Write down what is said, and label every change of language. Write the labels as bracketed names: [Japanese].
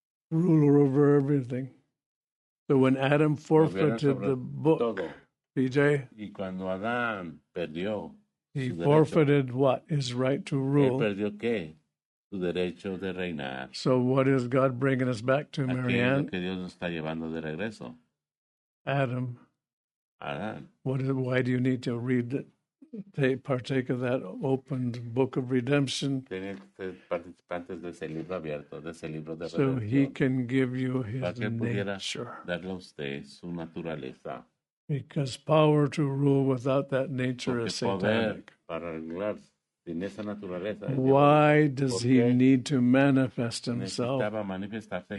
[English] Ruler over everything. So when Adam forfeited the book, PJ, [Spanish] y cuando Adán perdió, [English] he forfeited what? His right to rule. [Spanish] Él perdió qué? Su derecho de reinar. [English] So what is God bringing us back to, Marianne? [Spanish] ¿A qué es lo que Dios nos está llevando de regreso? [English] Adam. [Spanish] Adán. [English] Why do you need to read it? They partake of that opened book of redemption. [Spanish] Participantes de ese libro abierto, de ese libro de redención. [English] So he can give you his nature. [Spanish] Darle a usted su naturaleza. [English] Because power to rule without that nature is satanic. [Spanish] Para reinar sin esa naturaleza. [English] Why does he need to manifest himself? [Spanish] Necesitaba manifestarse.